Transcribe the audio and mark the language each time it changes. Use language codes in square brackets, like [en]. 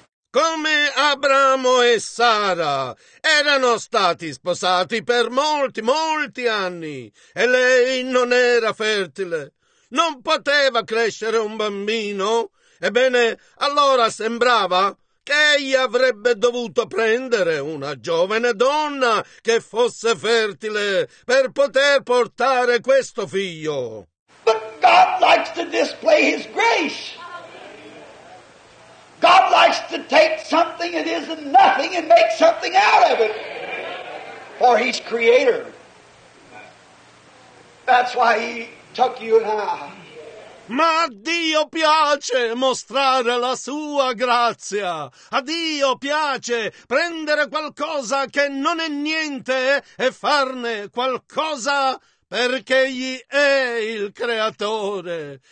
[it] Come Abramo e Sara erano stati sposati per molti, molti anni e lei non era fertile, non poteva crescere un bambino. Ebbene, allora sembrava che egli avrebbe dovuto prendere una giovane donna che fosse fertile per poter portare questo figlio. [en] But God likes to display His grace. God likes to take something that isn't nothing and make something out of it. For He's Creator. That's why He took you and I. [it] Ma a Dio piace mostrare la sua grazia. A Dio piace prendere qualcosa che non è niente e farne qualcosa perché egli è il creatore.